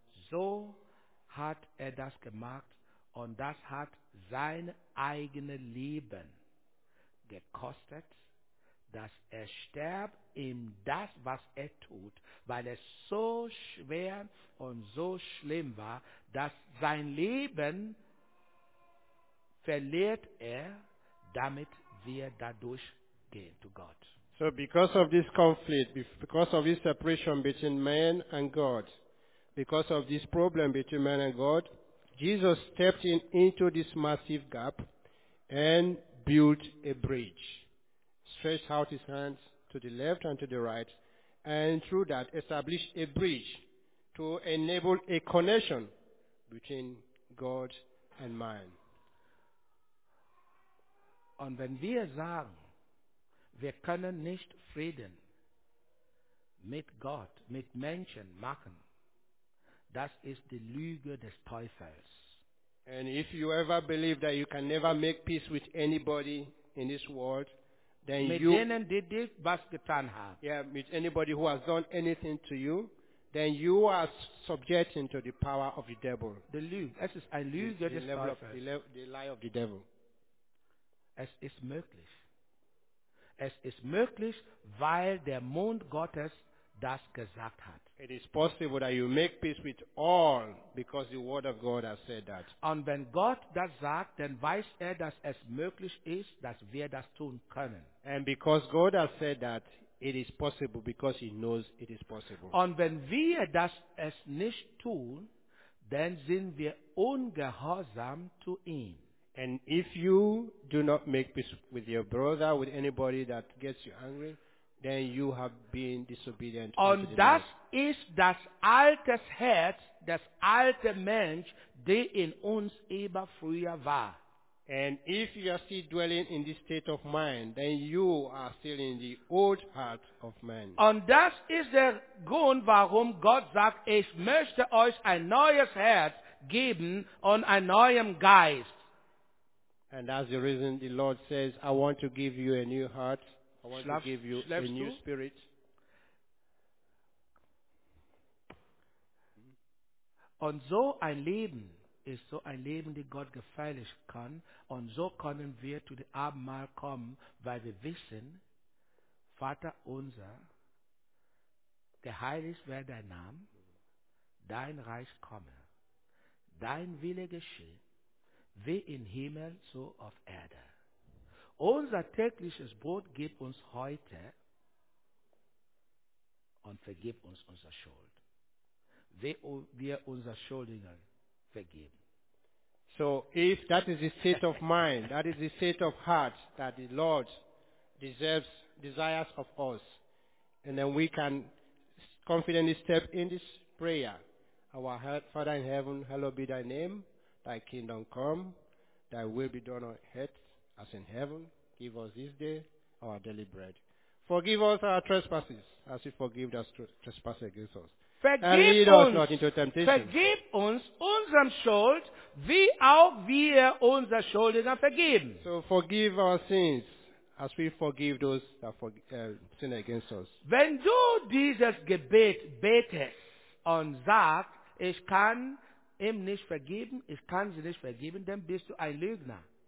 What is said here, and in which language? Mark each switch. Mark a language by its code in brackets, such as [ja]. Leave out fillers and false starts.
[de] So hat er das gemacht und das hat sein eigenes Leben gekostet, dass er sterbt in das, was er tut, weil es so schwer und so schlimm war, dass sein Leben verliert er, damit wir dadurch gehen zu Gott. [en] So because of this conflict, because of this separation between man and God, because of this problem between man and God, Jesus stepped in into this massive gap and built a bridge. Stretched out his hands to the left and to the right, and through that established a bridge to enable a connection between God and man. [de] Und wenn wir sagen, wir können nicht Frieden mit Gott, mit Menschen machen, das ist die Lüge des Teufels. [en] And if you ever believe that you can never make peace with anybody in this world, then [de] mit [en] you, [de] denen, die dies, was getan haben. [en] Yeah, with anybody who has done anything to you, then you are subject to the power of the devil. The lie. [de] Es ist ein Lüge des Teufels. [en] The lie of the devil. [de] Es ist möglich. Es ist möglich, weil der Mund Gottes das gesagt hat. [en] It is possible that you make peace with all because the word of God has said that. [de] Und wenn Gott das sagt, dann weiß er, dass es möglich ist, dass wir das tun können. [en] And because God has said that, it is possible because he knows it is possible. [de] Und wenn wir das es nicht tun, dann sind wir ungehorsam zu ihm. [en] And if you do not make peace with your brother, with anybody that gets you angry, then you have been disobedient. [de] Und das ist das alte Herz, das alte Mensch, der in uns immer früher war. [en] And if you are still dwelling in this state of mind, then you are still in the old heart of man. [de] Und das ist der Grund, warum Gott sagt, ich möchte euch ein neues Herz geben und einen neuen Geist. [en] And that's the reason the Lord says, I want to give you a new heart. I want to give you a new spirit. [de] Und so ein Leben ist so ein Leben, das Gott gefällig kann. Und so können wir zu dem Abendmahl kommen, weil wir wissen, Vater unser, geheiligt werde dein Name, dein Reich komme, dein Wille geschehe, wie im Himmel, so auf Erde. Unser tägliches Brot gib uns heute und vergib uns unsere Schuld, wie wir unsere Schuldigen vergeben. [en] So if that is the state of mind, that is the state of heart that the Lord desires of us, and then we can confidently step in this prayer. Our Father in heaven, hallowed be thy name, thy kingdom come, thy will be done on earth as in heaven. Give us this day our daily bread. Forgive us our trespasses, as we forgive those trespasses against us. Forgive and lead us not into temptation. Forgive us [de] unserem Schuld, wie auch wir unser Schuldner vergeben. [en] So forgive our sins as we forgive those that sin against us. [de] Wenn du dieses Gebet betest und sagst, ich kann ihm nicht vergeben, ich kann sie nicht vergeben, dann bist du ein Lügner.